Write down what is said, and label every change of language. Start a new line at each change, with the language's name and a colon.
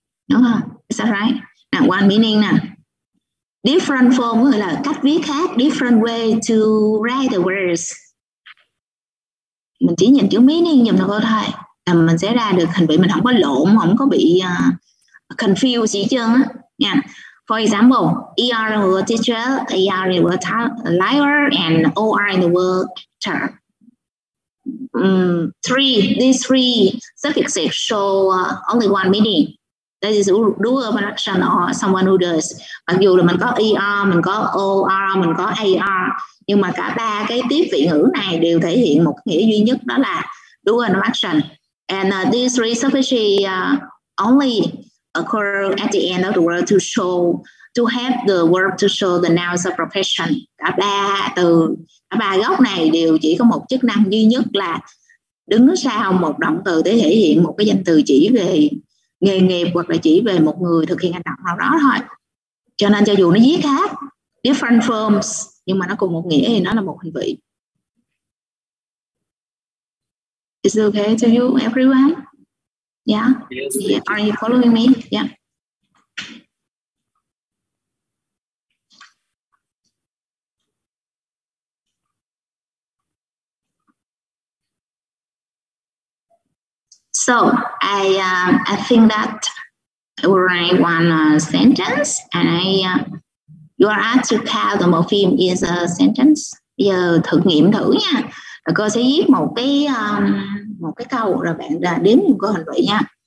Vietnamese: Đúng không?
English: Is that right? Now, one meaning nè. Different form
Vietnamese: có nghĩa là cách viết khác,
English: different way to write the words.
Vietnamese: Mình chỉ nhìn chữ meaning giùm được thôi. Là mình sẽ ra được hình vị, mình không có lộn, không có bị confused gì chứ.
English: Yeah. For example, ER in the word teacher, AR in the word liar, and OR in the word teacher. These three suffixes show only one meaning. That is doer production or someone who does.
Vietnamese: Mặc dù là mình có ER, mình có OR, mình có AR, nhưng mà cả ba cái tiếp vị ngữ này đều thể hiện một nghĩa duy nhất, đó là
English: doer production. And these three suffixes only occur at the end of the word to show, to have the verb to show the noun of profession.
Vietnamese: Cả ba từ, cả ba gốc này đều chỉ có một chức năng duy nhất là đứng sau một động từ để thể hiện một cái danh từ chỉ về nghề nghiệp hoặc là chỉ về một người thực hiện hành động nào đó thôi. Cho nên cho dù nó viết khác,
English: different forms,
Vietnamese: nhưng mà nó cùng một nghĩa thì nó là một hình vị.
English: Is it okay to you, everyone? Yeah? Yes, are you following me? Yeah. So I think that I will write one sentence, and I you are asked to count the morpheme in a sentence.
Vietnamese: Bây giờ thử nghiệm thử nha. Rồi cô sẽ viết một cái câu rồi bạn đếm đếm có hình vị nha.